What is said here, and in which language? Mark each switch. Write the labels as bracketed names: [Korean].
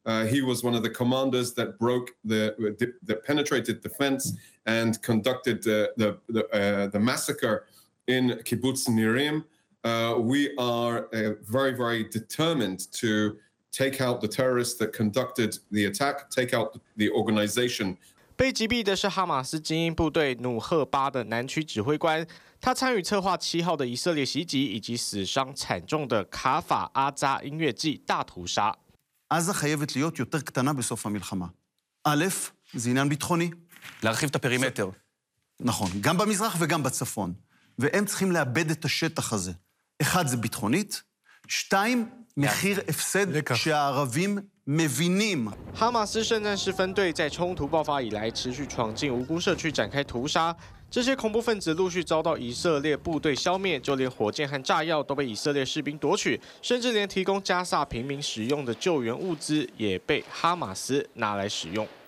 [English] He was one of the commanders that broke the penetrated defense and conducted the massacre in Kibbutz Nirim. We are very, very determined to take out the terrorists that conducted the attack, take out the organization. [Chinese] 被击毙的是哈马斯精英部队努赫巴的南区指挥官，他参与策划7号的以色列袭击以及死伤惨重的卡法阿扎音乐季大屠杀。 [Hebrew] עזה חייבת להיות יותר קטנה בסוף המלחמה. א', זה עניין ביטחוני. להרחיב את הפרימטר. נכון, גם במזרח וגם בצפון. והם צריכים לאבד את השטח הזה. אחד, זה ביטחונית. שתיים, מחיר הפסד שהערבים... mevinim [Chinese] 哈马斯圣战士分队在冲突爆发以来持续闯进无辜社区展开屠杀，这些恐怖分子陆续遭到以色列部队消灭，就连火箭和炸药都被以色列士兵夺取，甚至连提供加萨平民使用的救援物资也被哈马斯拿来使用。